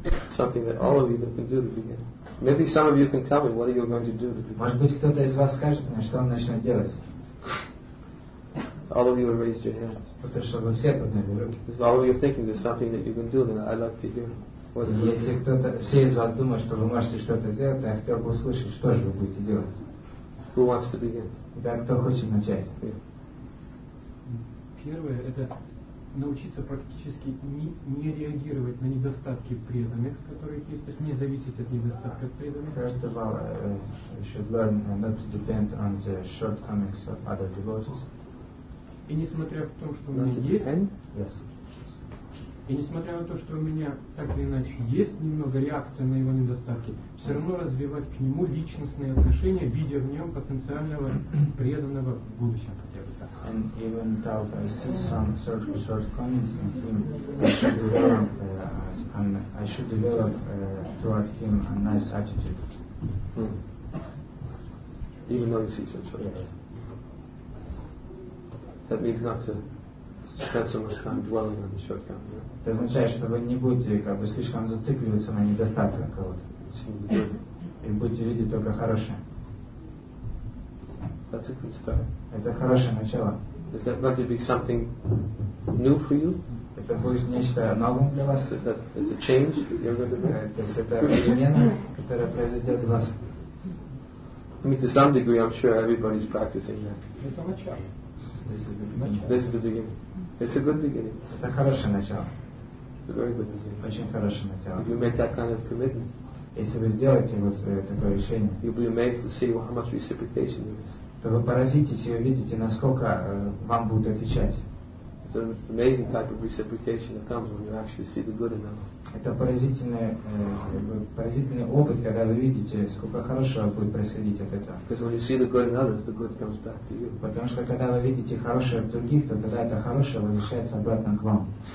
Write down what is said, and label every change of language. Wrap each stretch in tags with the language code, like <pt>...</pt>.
<en>Something that all of you can do to begin. Maybe some of you can tell me what are you going to do to begin.</en> <ru>Может быть, кто-то из вас скажет мне, что он начнет делать.</ru> <en>All of you have raised your hands.</en> <ru>Чтобы все подняли руки.</ru> <en>If all of you are thinking there's something that you can do, then I'd like to hear.</en> <ru>Если кто-то, все из вас думают, что вы можете что-то сделать, я хотел бы услышать, что же вы будете делать.</ru> <en>Who wants to begin?</en> <ru>Да, кто хочет начать? Первое – это научиться практически не реагировать на недостатки преданных, которые есть, то есть не зависеть от недостатков преданных.</ru> <en>First of all, we should learn not to depend on the shortcomings of other devotees.</en> <ru>И несмотря в том, что у меня есть,</ru> <en>yes.</en> <ru>И несмотря на то, что у меня так или иначе есть немного реакция на его недостатки, все равно развивать к нему личностные отношения, видя в нем потенциального преданного в будущем.</ru> <en>And even though I see some shortcomings in him, I should develop toward him a nice attitude. Hmm. Even though you see some shortcomings. Yeah. That means not to spend so much time dwelling on the shortcomings. Yeah?</en> <ru>Это означает, что вы не будете как бы слишком зацикливаться на недостатках кого-то. И будете видеть только хорошее.</ru> <en>That's a good start.</en> <ru>Это хорошее начало.</ru> <en>Is that going to be something new for you?</en> <ru>Это будет нечто новым для вас?</ru> <en>It's a change you're going to make?</en> <ru>То есть это перемена, которая произойдет в вас?</ru> <en>I mean, to some degree, I'm sure everybody's practicing that.</en> <ru>Это начало.</ru> <en>This is the beginning. It's a good beginning.</en> <ru>Это хорошее начало.</ru> <en>It's a very good beginning.</en> <ru>Очень хорошее начало.</ru> <en>If you make that kind of commitment,</en> <ru>если вы сделаете вот такое решение,</ru> <en>you'll be amazed to see how much reciprocation there is.</en> <ru>То вы поразитесь и увидите, насколько вам будут отвечать.</ru> <en>It's an amazing type of reciprocation that comes when you actually see the good in others.</en> <ru>Это поразительный опыт, когда вы видите, сколько хорошего будет происходить от этого.</ru> <en>Because when you see the good in others, the good comes back to you.</en> <ru>Потому что когда вы видите хорошее в других, то тогда это хорошее возвращается обратно к вам.</ru>